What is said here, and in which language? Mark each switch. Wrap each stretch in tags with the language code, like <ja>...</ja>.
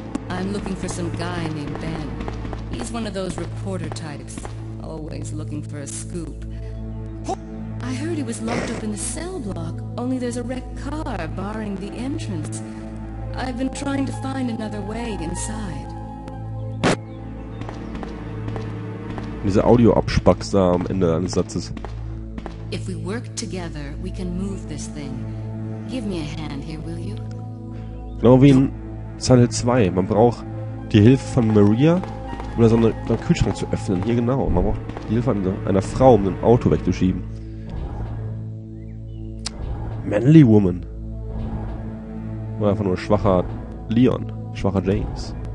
<en>I'm looking for some guy named Ben. He's one of those reporter types, always looking for a scoop. I heard he was locked up in the cell block, only there's a wrecked car barring the entrance. I've been trying to find another way inside.</en> <de>Diese Audio-Abspacks da am Ende eines Satzes.</de> <en>If we work together, we can move this thing. Give me a hand here, will you?</en> <de>Genau wie in Silent 2. Man braucht die Hilfe von Maria, um da so einen Kühlschrank zu öffnen. Hier genau. Man braucht die Hilfe einer Frau, um ein Auto wegzuschieben. Manly Woman. Oder einfach nur schwacher Leon. Schwacher James.</de>